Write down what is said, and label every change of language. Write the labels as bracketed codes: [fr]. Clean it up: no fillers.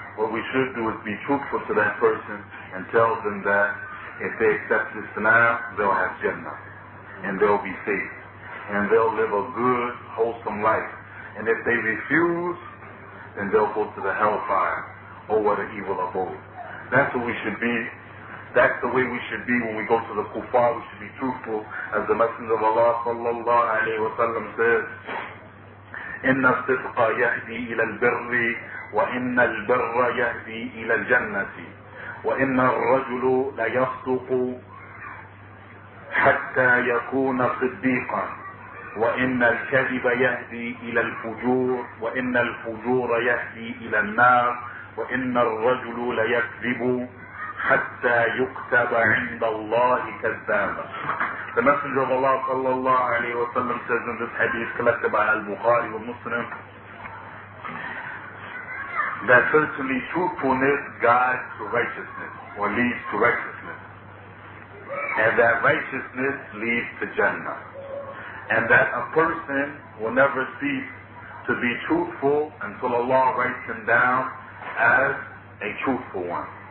[en] What we should do is be truthful to that person and tell them that if they accept this now, they'll have Jannah and they'll be saved and they'll live a good, wholesome life. And if they refuse, then they'll go to the hellfire. Oh, what an evil abode. That's what we should be. That's the way we should be when we go to the kuffar. We should be truthful. As the Messenger of Allah sallallahu alayhi wa sallam says, [ar] إِنَّ الصِّدْقَ يَهْدِي إِلَى الْبِرِّ وَإِنَّ الْبِرَّ يَهْدِي إِلَى الْجَنَّةِ وَإِنَّ الرَّجُلُ لَيَصْدُقُ حَتَّى يَكُونَ صِدِّيقًا وَإِنَّ الْكَذِبَ يَهْدِي إِلَى الْفُجُورِ وَإِنَّ الْفُجُورَ يَهْدِي إِلَى النَّارِ وَإِنَّ الرَّجُلُ لَيَكْذِبُ حَتَّى يُكْتَبَ عِنْدَ اللَّهِ كَذَّابًا. [en] The Messenger of Allah sallallahu alayhi wa sallam says in this hadith collected by Al-Bukhari and Muslim that certainly truthfulness guides to righteousness, or leads to righteousness, and that righteousness leads to Jannah, and that a person will never cease to be truthful until Allah writes him down as a truthful one,